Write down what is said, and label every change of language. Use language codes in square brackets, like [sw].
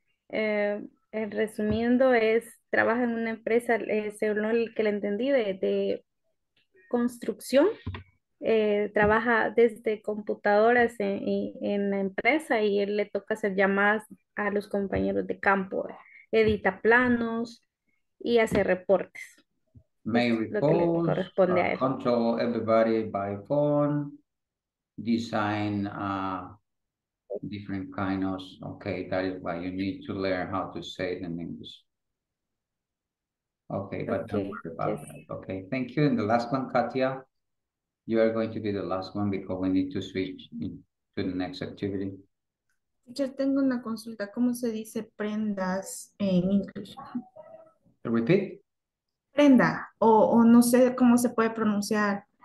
[es] En resumiendo, es trabaja en una empresa, según el que le entendí, de construcción. Trabaja desde computadoras en la empresa y él le toca hacer llamadas a los compañeros de campo. Edita planos y hace reportes. [en] May report, control everybody by phone, design different kind of, okay, that is why you need to learn how to say it in English. Okay, but okay. Don't worry about that. Okay, thank you. And the last one, Katia, you are going to be the last one because we need to switch to the next activity. [es] Yo tengo una consulta, ¿cómo se dice prendas en inglés? [en] Repeat. [es] Prenda, o no sé cómo se puede pronunciar.